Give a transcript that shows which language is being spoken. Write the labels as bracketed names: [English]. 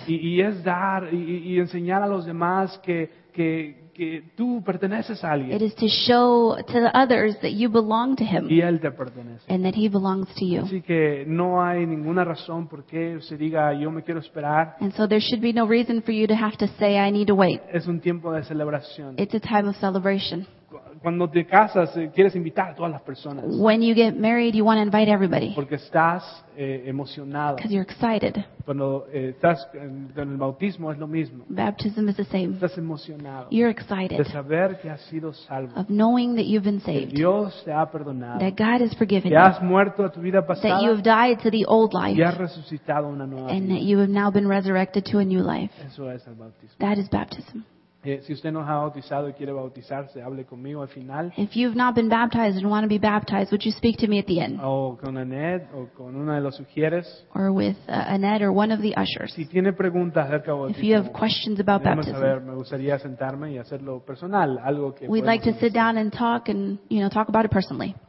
[Spanish] Y es dar y enseñar a los demás que que tú perteneces a alguien. [English] It is to show to the others that you belong to him. [Spanish] Y él te pertenece. [English] And that he belongs to you. [Spanish] Así que no hay ninguna razón por qué se diga yo me quiero esperar. [English] And so there should be no reason for you to have to say I need to wait. [Spanish] Es un tiempo de celebración. [English] It's a time of celebration. [Spanish] Cuando te casas, quieres invitar a todas las personas. [English] When you get married, you want to invite everybody. [Spanish] Porque estás emocionada. [English] Because you're excited. [Spanish] Cuando estás en el bautismo es lo mismo. [English] Baptism is the same. [Spanish] Estás emocionado. [English] You're excited. [Spanish] De saber que has sido salvo. [English] Of knowing that you've been saved. [Spanish] Que Dios te ha perdonado. [English] That God has forgiven [Spanish] you. Que has muerto a tu vida pasada. [English] That you have died to the old life. [Spanish] Y has resucitado una nueva vida. [English] And that you have now been resurrected to a new life. [Spanish] Eso es el bautismo. [English] That is baptism. [Spanish] Si usted no ha bautizado y quiere bautizarse, hable conmigo al final. [English] If you've not been baptized and want to be baptized, would you speak to me at the end? [Spanish] O con Annette o con una de los sugieres. [English] Or with Annette or one of the ushers. [Spanish] Si tiene preguntas acerca del bautismo. [English] If you have questions about baptism. [Spanish] Saber, me gustaría sentarme y hacerlo personal, algo que. [English] We'd like to sit down and talk and you know talk about it personally.